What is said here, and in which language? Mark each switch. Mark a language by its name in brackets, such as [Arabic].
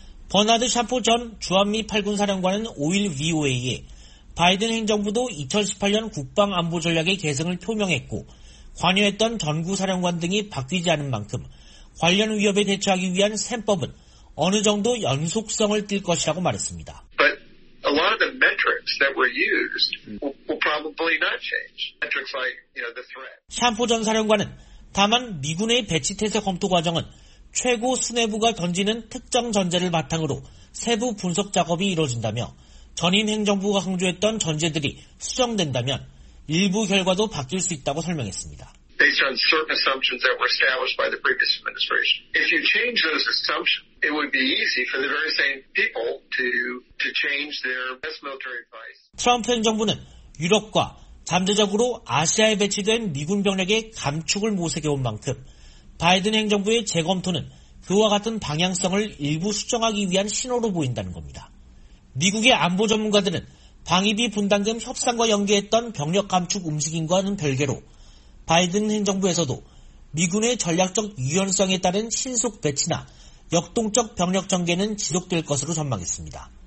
[Korean] 버나드 샤포 전 주한미 8군사령관은 5일 VOA에 바이든 행정부도 2018년 국방안보전략의 계승을 표명했고 관여했던 전구사령관 등이 바뀌지 않은 만큼 관련 위협에 대처하기 위한 셈법은 어느 정도 연속성을 띨 것이라고 말했습니다. [English] But a lot of the metrics that were used will probably not change. Metrics like, you know, the threat. [Korean] 샴포 전 사령관은 다만 미군의 배치 태세 검토 과정은 최고 수뇌부가 던지는 특정 전제를 바탕으로 세부 분석 작업이 이루어진다며 전임 행정부가 강조했던 전제들이 수정된다면 일부 결과도 바뀔 수 있다고 설명했습니다. [English] Based on certain assumptions that were established by the previous administration. If you change those assumptions, it would be easy for the very same people to change their best military advice. [Korean] 트럼프 행정부는 유럽과 잠재적으로 아시아에 배치된 미군 병력의 감축을 모색해온 만큼 바이든 행정부의 재검토는 그와 같은 방향성을 일부 수정하기 위한 신호로 보인다는 겁니다. 미국의 안보 전문가들은 방위비 분담금 협상과 연계했던 병력 감축 움직임과는 별개로 바이든 행정부에서도 미군의 전략적 유연성에 따른 신속 배치나 역동적 병력 전개는 지속될 것으로 전망했습니다.